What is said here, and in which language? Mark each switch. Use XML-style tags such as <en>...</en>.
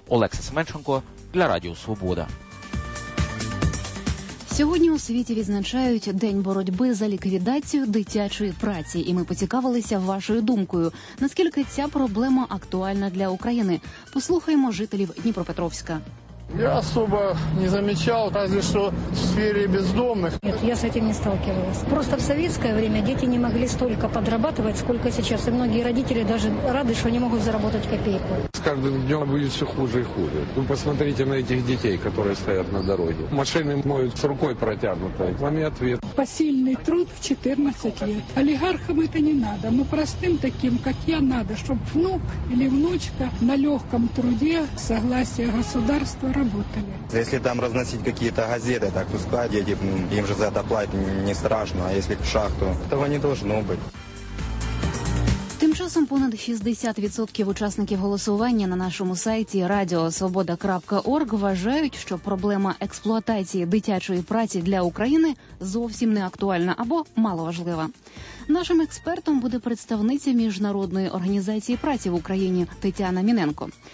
<uk>Олексій Семенченко для Радіо Свобода. Сьогодні у світі відзначають День боротьби за ліквідацію дитячої праці. І ми поцікавилися вашою думкою, наскільки ця проблема актуальна для України. Послухаємо жителів Дніпропетровська.</uk> <ru>Я особо не замечал, разве что в сфере бездомных. Нет, я с этим не сталкивалась. Просто в советское время дети не могли столько подрабатывать, сколько сейчас. И многие родители даже рады, что не могут заработать копейку. С каждым днем будет все хуже и хуже. Вы посмотрите на этих детей, которые стоят на дороге. Машины моют с рукой протянутой. Вам и ответ. Посильный труд в 14 лет. Олигархам это не надо. Но простым таким, как я, надо, чтобы внук или внучка на легком труде согласие государства работали. Если там разносить какие-то газеты, так пускай дети, им же за это платить не страшно, а если в шахту, этого не должно быть.</ru> <uk>Тим часом понад 60% учасників голосування на нашому сайті radiosvoboda.org вважають, що проблема експлуатації дитячої праці для України зовсім не актуальна або маловажлива. Нашим експертом буде представниця Міжнародної організації праці в Україні Тетяна Міненко.</uk>